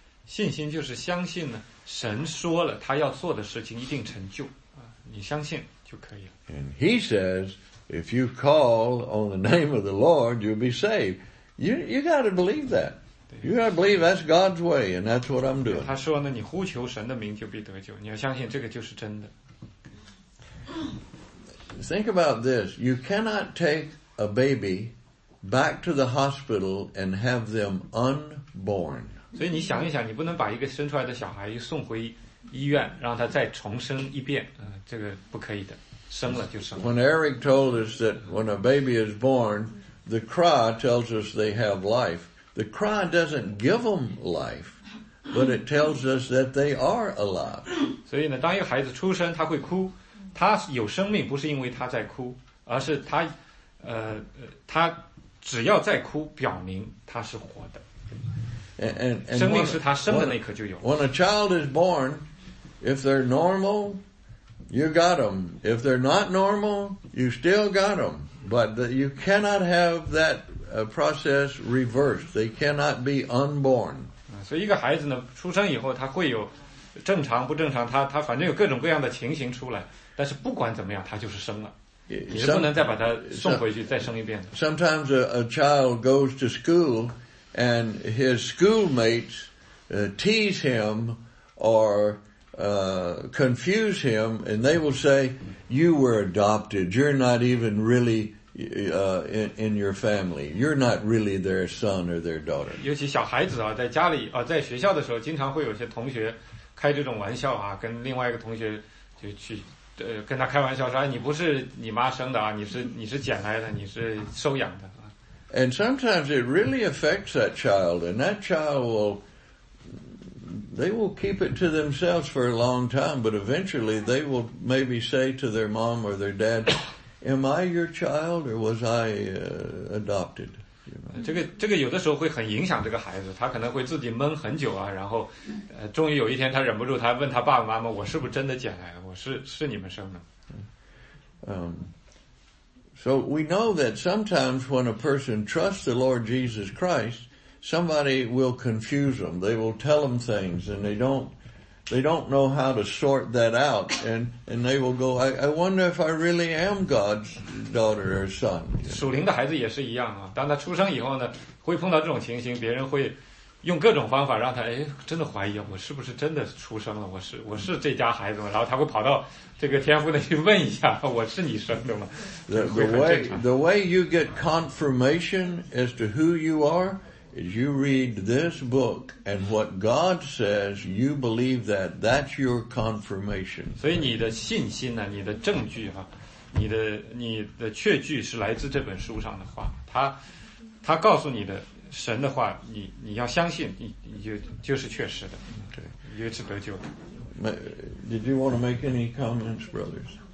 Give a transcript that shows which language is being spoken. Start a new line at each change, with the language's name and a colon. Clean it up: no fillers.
Chinese: 信心就是相信呢，神说了他要做的事情一定成就，你相信就可以了。
English: And he says, if you call on the name of the Lord, you'll be saved. You got to believe that. You got to believe that's God's way, and that's what I'm doing.
Chinese: 他说呢，你呼求神的名就必得救，你要相信这个就是真的。
English: Think about this. You cannot take a baby. Back to the hospital and have them unborn.
Chinese: 所以你想一想，你不能把一个生出来的小孩送回医院，让他再重生一遍，这个不可以的，生了就生了。
English: When Eric told us that when a baby is born, the cry tells us they have life. The cry doesn't give them life, but it tells us that they are alive.
Chinese: 所以呢，当一个孩子出生，他会哭，他有生命，不是因为他在哭，而是他。只要再哭，表明他是活的。
English: And
Chinese: 生命是他生的那刻就有。
English: When a child is born, If they're normal, you got them. If they're not normal, you still got them. But you cannot have that process reversed. They cannot be unborn.
Chinese: So 一个孩子呢，出生以后他会有正常不正常，他反正有各种各样的情形出来。但是不管怎么样，他就是生了。你是不能再把他送回去再生一遍的。
English: Sometimes a child goes to school and his schoolmates tease him or confuse him, and they will say, "You were adopted. You're not even really in your family. You're not really their son or their daughter."
Chinese: 尤其小孩子啊，在家里啊，在学校的时候，经常会有些同学开这种玩笑啊，跟另外一个同学就去。跟他开玩笑说，哎，你不是你妈生的啊，你是捡来的，你是收养的。
English: And sometimes it really affects that child, and that child will keep it to themselves for a long time, but eventually they will maybe say to their mom or their dad, "Am I your child or was I adopted?"
Chinese: 这个有的时候会很影响这个孩子，他可能会自己闷很久啊，然后，终于有一天他忍不住，他问他爸爸妈妈，我是不是真的捡来的？我是你们生的。
English: So we know that sometimes when a person trusts the Lord Jesus Christ, somebody will confuse them. They will tell them things, and they don't know how to sort that out, and they will go, I wonder if I really am God's daughter or son.
Chinese: 属灵的孩子也是一样啊，当他出生以后呢，会碰到这种情形，别人会用各种方法让他，哎，真的怀疑我是不是真的出生了，我是这家孩子吗？然后他会跑到这个天父那去问一下，我是你生的吗？
English: The way you get confirmation as to who you are,is you read this book, and what God says, you believe that, that's your confirmation.
Chinese: 所以你的信心呢，你的证据啊，你的确据是来自这本书上的话，他告诉你的神的话，你要相信，你就是确实的，对，有此得救。
English: Did you want to make any comments, brothers?